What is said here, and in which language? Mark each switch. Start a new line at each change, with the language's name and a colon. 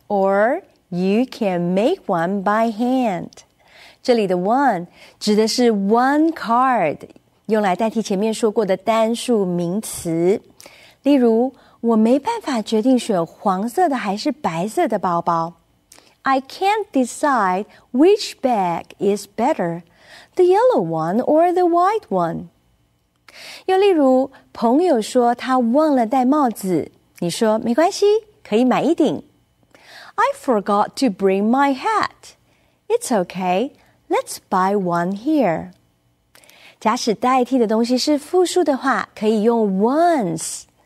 English: Or you can make one by hand.
Chinese: 这里的 one 指的是 one card， 用来代替前面说过的单数名词。例如，我没办法决定选黄色的还是白色的包包。
English: I can't decide which bag is better, the yellow one or the white one。
Chinese: 又例如，朋友说他忘了戴帽子，你说没关系，可以买一顶。
English: I forgot to bring my hat. It's okay. Let's buy one here.
Chinese: 假使代替的东西是复数的话，可以用 ones。